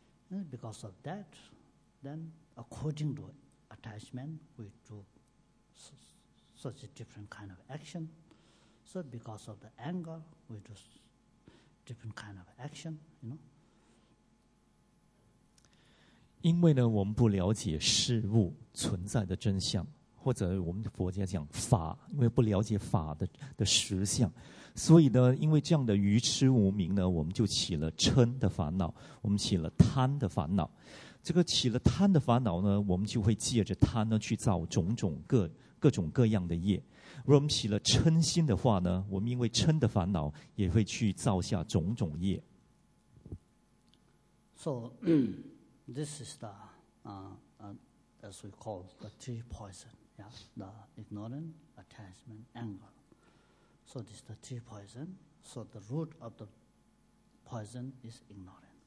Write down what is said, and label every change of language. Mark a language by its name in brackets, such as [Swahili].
[English] And because of that, then according to attachment, we do such a different kind of action. So because of the anger, we do different kind of action, you know. [Chinese] 因为呢，我们不了解事物存在的真相。或者我们佛家讲法，因为不了解法 的实相，所以呢，因为这样的愚痴无明呢，我们就起了嗔的烦恼，我们起了贪的烦恼。这个起了贪的烦恼呢，我们就会借着贪呢去造种种各种各样的业。如果我们起了嗔心的话呢，我们因为嗔的烦恼也会去造下种种业。 [English] So this is the as we call the three poison. Yeah, the ignorance, attachment, anger. So this is the three poison. So the root of the poison is ignorance.